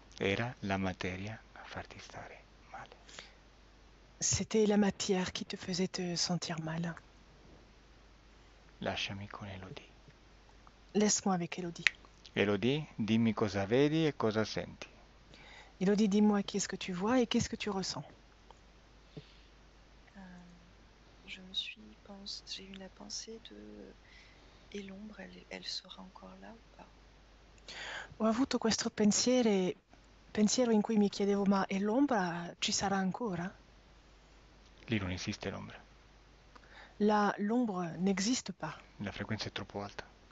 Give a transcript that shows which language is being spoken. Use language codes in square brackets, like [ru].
[it] Era la materia a farti stare male. [fr] C'était la matière qui te faisait te sentir mal. [it] Lasciami con Elodie. [fr] Laisse-moi avec Elodie. [it] Elodie, dimmi cosa vedi e cosa senti. [fr] Elodie, dis-moi qu'est-ce que tu vois et qu'est-ce que tu ressens. Je me suis pensé, j'ai eu la pensée de... Et l'ombre, elle sera encore là ou pas? [it] Ho avuto questo pensiero in cui mi chiedevo, ma e l'ombra ci sarà ancora? Lì non esiste l'ombra. [fr] L'ombre n'esiste pas. [it] La frequenza è troppo alta.